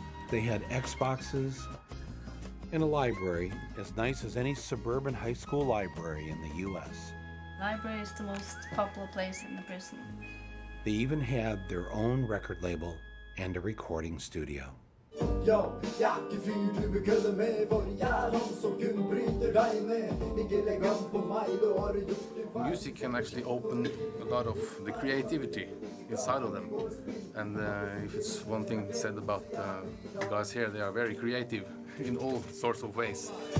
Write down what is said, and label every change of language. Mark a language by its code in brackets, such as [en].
[en] They had Xboxes and a library as nice as any suburban high school library in the U.S. Library is the most popular place in the prison. They even had their own record label and a recording studio. [no] Yo, jeg er ikke fyr du vil kølle med, for jeg er han som kun bryter deg ned. Ikke legg an på meg, du har gjort. [en] Music can actually open a lot of the creativity inside of them. And if it's one thing said about the guys here, they are very creative in all sorts of ways.